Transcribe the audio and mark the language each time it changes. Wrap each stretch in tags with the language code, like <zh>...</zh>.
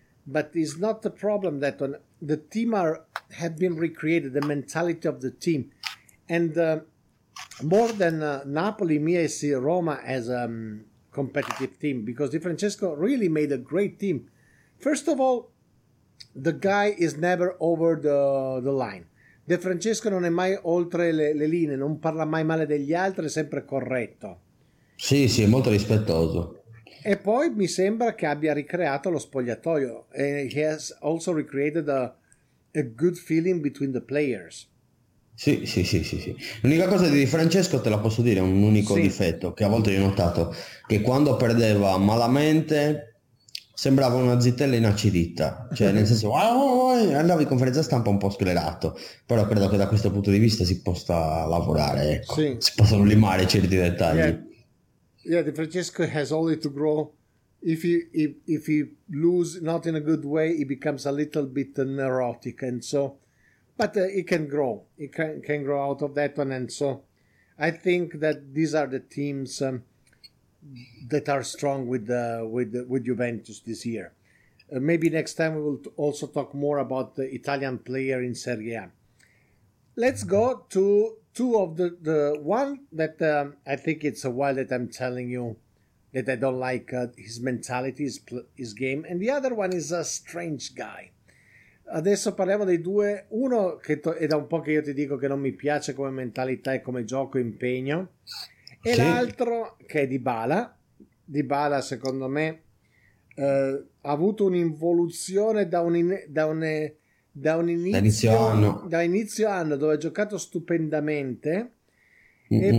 <en>But it's not the problem that the team have been recreated, the mentality of the team. And more than Napoli, me, I see Roma as a competitive team, because Di Francesco really made a great team. First of all, the guy is never over the line.</en> <it>De Francesco non è mai oltre le linee, non parla mai male degli altri, è sempre corretto. Sì, è molto rispettoso. E poi mi sembra che abbia ricreato lo spogliatoio.</it> <en>He has also recreated a good feeling between the players.</en> <it>Sì. L'unica cosa di Francesco, te la posso dire, un unico difetto che a volte ho notato, che quando perdeva malamente sembrava una zitella inacidita, cioè nel senso andavo in conferenza stampa un po' sclerato, però credo che da questo punto di vista si possa lavorare, ecco. Si possono limare certi dettagli.</it> <en>Yeah, Di Francesco has only to grow. If he lose not in a good way, he becomes a little bit neurotic, and so, but he can grow. He can grow out of that one, and so, I think that these are the teams that are strong with Juventus this year. Maybe next time we will also talk more about the Italian player in Serie A. Let's go to two of the one that I think it's a while that I'm telling you that I don't like his mentality, his game. And the other one is a strange guy.</en> <it>Adesso parliamo dei due. Uno che è da un po' che io ti dico che non mi piace come mentalità e come gioco, impegno. E sì. L'altro che è Dybala. Dybala, secondo me, ha avuto un'involuzione da inizio anno dove ha giocato stupendamente. Mm-hmm.</it>